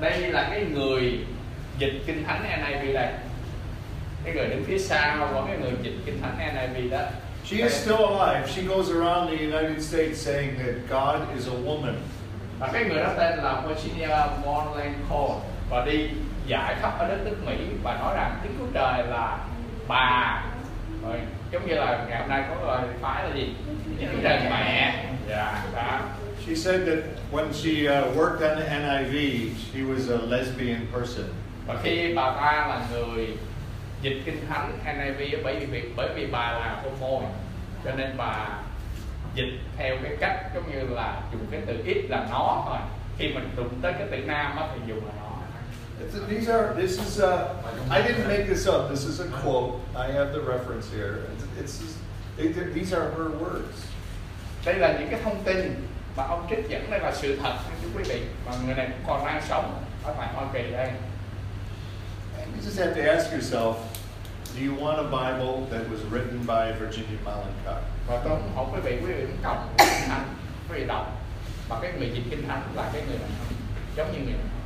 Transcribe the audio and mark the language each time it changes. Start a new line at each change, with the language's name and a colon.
Vietnamese: Đây là cái người dịch kinh thánh NIV này. Cái người đứng phía sau của cái người dịch kinh thánh NIV đó.
English: She is still alive. She goes around the United States saying that God is a woman.
Vietnamese: Và cái người đó tên là Virginia Mullencutt và đi giải khắp ở đất nước Mỹ và nói rằng Đức Chúa Trời là bà, rồi giống như là ngày hôm nay có người phải là gì, những trời mẹ, đó.
English: She said that when she worked on the NIV, she was a lesbian person.
Vietnamese: Và khi bà ta là người dịch kinh thánh NIV bởi vì bà là homo, cho nên bà dịch theo cái cách giống như là dùng cái từ ít là nó thôi. Khi mình đụng tới cái từ nam á thì dùng là nó.
English: I didn't make this up. This is a quote. I have the reference here. These are her words.
Vietnamese: Đây là những cái thông tin mà ông trích dẫn, đây là sự thật, thưa quý vị. Mà người này còn đang sống ở tại Hoa Kỳ đây.
English: You just have to ask yourself, do you want a Bible that was written by Virginia Mullencutt?
Vietnamese: Và tôi cũng hỏi quý vị cũng cầm kinh thánh, quý vị đọc, và cái người dịch kinh thánh là cái người này, giống như người này.